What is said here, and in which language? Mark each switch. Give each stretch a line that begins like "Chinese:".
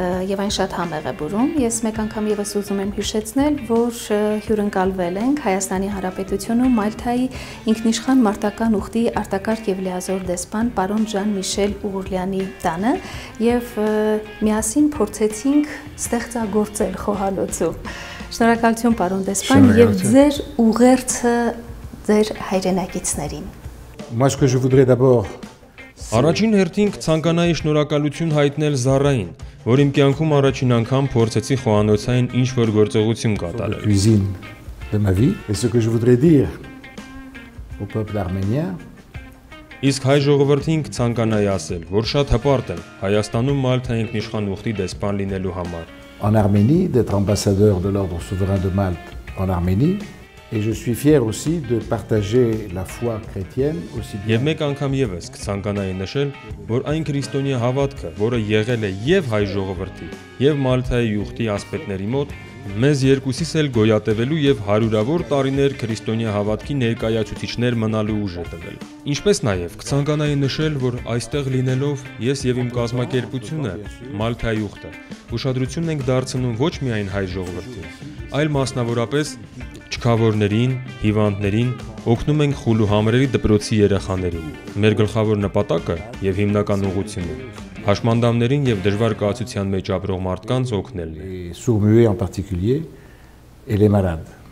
Armenian: և այն շատ համեղ է բուրում, ես մեկ անգամ եվս ուզում եմ հիշեցնել, որ հյուրընկալվել ենք Հայաստանի Հանրապետությունում Մալթայի ինքնիշխան մարտական ուխտի արտակարգ և լիազոր դեսպան պարոն Ժան-Միշել Ուղուրլյանի տանը և միասին փորձեցինք ստեղծագործել խոհանոցում, շնորհակալություն պարոն դեսպան և ձեր ուղերձը ձեր հայրենակիցներին։ Առաջին հերթին ցանկանայի շնորհակալություն հայտնել Զարային, որ իմ կյանքում առաջին անգամ փորձեցի խոհանոցային ինչ-որ գործողություն կատարել։
French: Cuisines de ma vie, et ce que je voudrais dire au peuple arménien.
Armenian: Իսկ հայ ժողովրդին ցանկանայի ասել, որ շատ հպարտ եմ Հայաստանում Մալթայի ինքնիշխան ուխտի դեսպան լինելու համար.
French: En Arménie, d'être ambassadeur de l'ordre souverain de Malte en Arménie. Et je suis fier aussi de partager la foi chrétienne aussi bien.
Armenian: Եվ մեկ անգամ եւս կցանկանայի նշել, որ այն քրիստոնյա հավատքը, որը եղել է եւ հայ ժողովրդի, եւ Մալթայի յուղթի ասպետների մոտ, մեզ երկուսիս էլ գոյատևելու եւ հարյուրավոր տարիներ քրիստոնյա հավատքի ներկայացուցիչներ մնալու ուժ է տվել։ Ինչպես նաեւ կցանկանայի նշել, որ այստեղ լինելով ես եւ իմ կազմակերպությունը, Մալթայի յուղթը, ուշադրություն ենք դարձնում ոչ միայն հայ ժողովրդին, այլ մասնավորապես չքավորներին, հիվանդներին, օգնում ենք խուլու համրերի դպրոցի երեխաներին։ Մեր գլխավոր նպատակը և հիմնական ուղղությունը հաշմանդամներին և դժվար կացության մեջ ապրող մարդկանց օգնելն է։
French: Սուրմյուի en particulier et les malades.